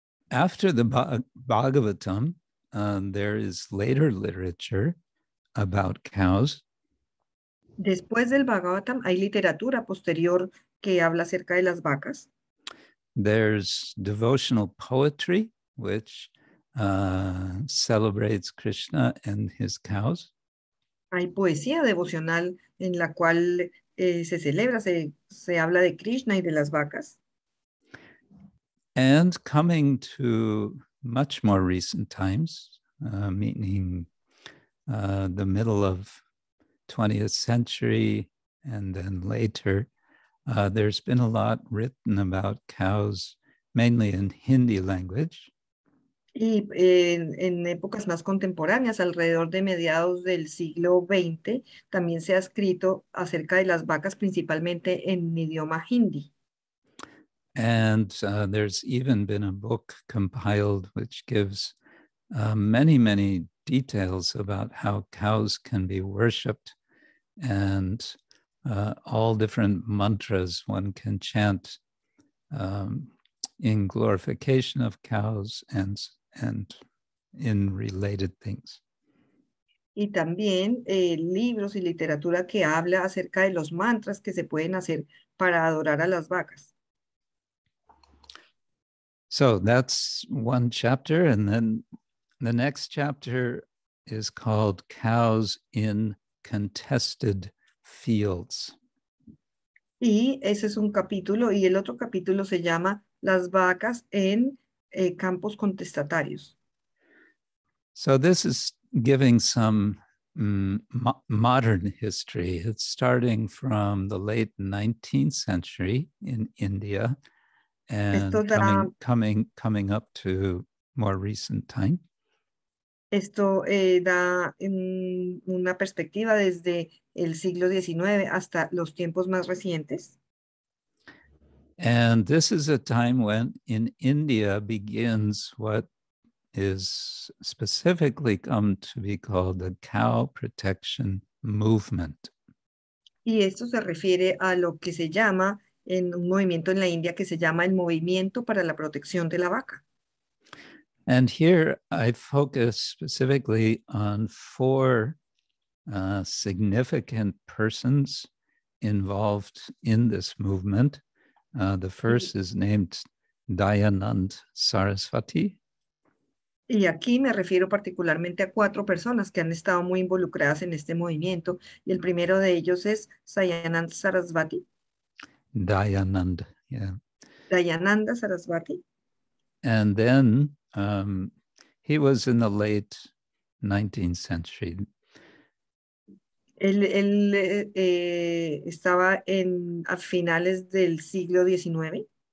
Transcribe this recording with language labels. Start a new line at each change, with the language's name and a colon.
English: After the Bhagavatam, there is later literature about cows.
Spanish: Después del Bhagavatam hay literatura posterior que habla acerca de las vacas.
English: There's devotional poetry which celebrates Krishna and his cows.
Spanish: Hay poesía devocional en la cual se celebra, se habla de Krishna y de las vacas.
English: And coming to much more recent times, meaning the middle of 20th century and then later, there's been a lot written about cows, mainly in Hindi language.
Spanish: Y en épocas más contemporáneas, alrededor de mediados del siglo XX, también se ha escrito acerca de las vacas, principalmente en idioma hindi.
English: And there's even been a book compiled which gives many, many details about how cows can be worshipped and all different mantras one can chant in glorification of cows and in related things.
Spanish: Y también libros y literatura que habla acerca de los mantras que se pueden hacer para adorar a las vacas.
English: So that's one chapter, and then the next chapter is called Cows in Contested Fields.
Spanish: Y ese es un capítulo, y el otro capítulo se llama Las vacas en campos contestatarios.
English: So this is giving some modern history. It's starting from the late 19th century in India. And coming up to more recent time.
Spanish: Esto da una perspectiva desde el siglo XIX hasta los tiempos más recientes.
English: And this is a time when in India begins what is specifically come to be called the cow protection movement.
Spanish: Y esto se refiere a lo que se llama en un movimiento en la India que se llama el movimiento para la protección de la vaca.
English: And here I focus specifically on four significant persons involved in this movement. The first is named Dayanand Sarasvati.
Spanish: Y aquí me refiero particularmente a cuatro personas que han estado muy involucradas en este movimiento. Y el primero de ellos es Dayanand Sarasvati.
English: Dayanand, yeah. Dayananda Sarasvati. And then he was in the late 19th century.
Spanish: Él estaba en a finales del siglo XIX.